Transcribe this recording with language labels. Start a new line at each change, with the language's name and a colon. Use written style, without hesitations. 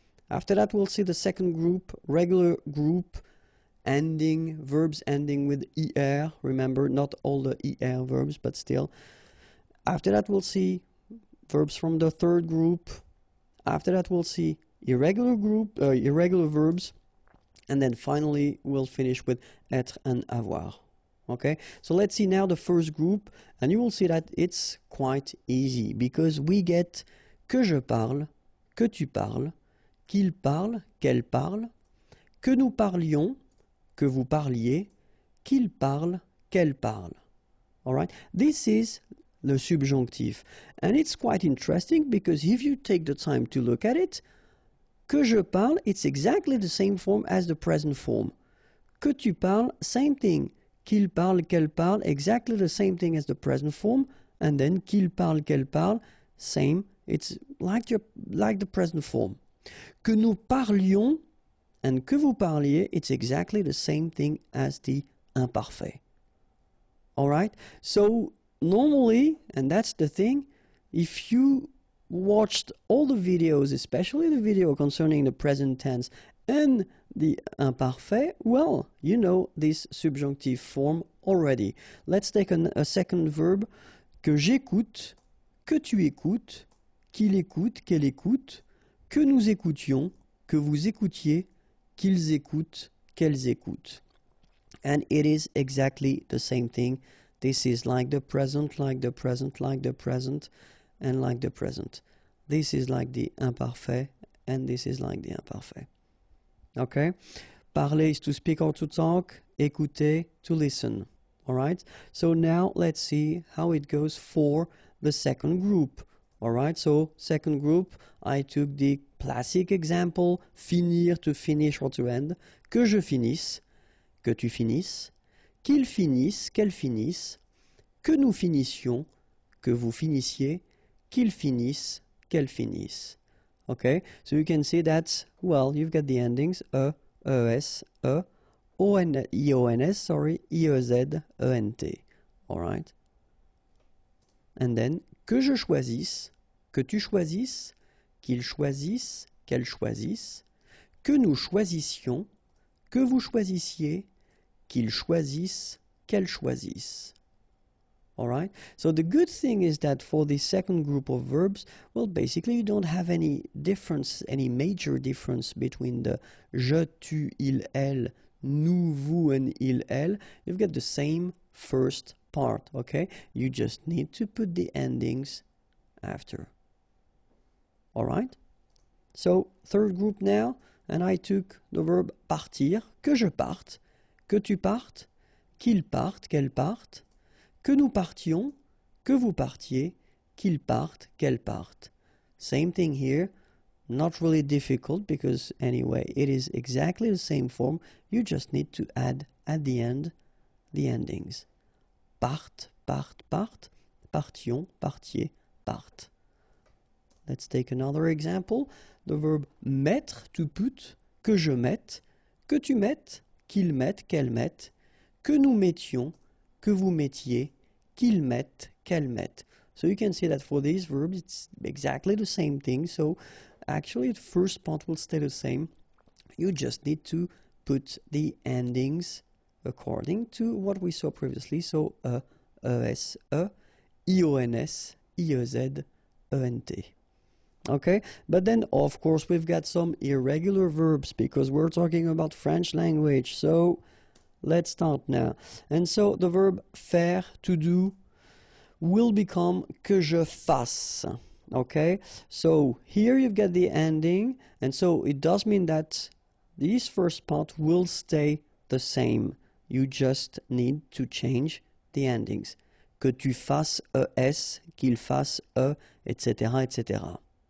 English: After that, we'll see the second group, regular group ending, verbs ending with er. Remember, not all the er verbs, but still. After that, we'll see verbs from the third group. After that, we'll see irregular verbs. And then finally, we'll finish with être and avoir. Okay, so let's see now the first group, and you will see that it's quite easy, because we get
French: que je parle, que tu parles, qu'il parle, qu'elle parle, que nous parlions, que vous parliez, qu'il parle, qu'elle parle.
English: Alright, this is the subjonctif, and it's quite interesting, because if you take the time to look at it,
French: que je parle,
English: it's exactly the same form as the present form.
French: Que tu parles,
English: same thing.
French: Qu'il parle, qu'elle parle,
English: exactly the same thing as the present form. And then,
French: qu'il parle, qu'elle parle,
English: same It's like the present form.
French: Que nous parlions
English: and
French: que vous parliez,
English: it's exactly the same thing as the imparfait. All right? So normally, and that's the thing, if you watched all the videos, especially the video concerning the present tense and the imparfait, well, you know this subjonctive form already. Let's take a second verb.
French: Que j'écoute, que tu écoutes, qu'il écoute, qu'elle écoute, que nous écoutions, que vous écoutiez, qu'ils écoutent, qu'elles écoutent.
English: And it is exactly the same thing. This is like the present, like the present, like the present, and like the present. This is like the imparfait, and this is like the imparfait. Okay? Parler is to speak or to talk. Écouter, to listen. Alright? So now let's see how it goes for the second group. Alright? So, second group, I took the classic example, finir, to finish or to end.
French: Que je finisse, que tu finisses, qu'il finisse, qu'elle finisse, que nous finissions, que vous finissiez, qu'il finisse, qu'elle finisse.
English: Okay, so you can see that, well, you've got the endings, E, E, S, E, O, N, E, O, N, S, sorry, E, E, Z, E, N, T. Alright.
French: And then, que je choisisse, que tu choisisses, qu'il choisisse, qu'elle choisisse, que nous choisissions, que vous choisissiez, qu'ils choisissent, qu'elles choisissent.
English: All right? So the good thing is that for the second group of verbs, well, basically you don't have any difference, any major difference between the je, tu, il, elle, nous, vous, and il, elle. You've got the same first part, okay? You just need to put the endings after. All right? So third group now, and I took the verb partir,
French: que je parte, que tu partes, qu'il parte, qu'elle parte, que nous partions, que vous partiez, qu'il parte, qu'elle parte.
English: Same thing here, not really difficult because anyway, it is exactly the same form. You just need to add at the end the endings.
French: Part, part, part, partions, partiez, part.
English: Let's take another example. The verb mettre, to put,
French: que je mette, que tu mettes, qu'ils mettent, qu'elles mettent, que nous mettions, que vous mettiez, qu'ils mettent, qu'elles mettent.
English: So you can see that for these verbs, it's exactly the same thing. So actually, the first part will stay the same. You just need to put the endings according to what we saw previously. So E, E, S, E, I, O, N, S, I, E, Z, E, N, T. Okay, but then of course we've got some irregular verbs because we're talking about French language. So let's start now. And so the verb faire, to do, will become
French: que je fasse.
English: Okay, so here you've got the ending. And so it does mean that this first part will stay the same. You just need to change the endings.
French: Que tu fasses ES, qu'il fasse E, etc., etc.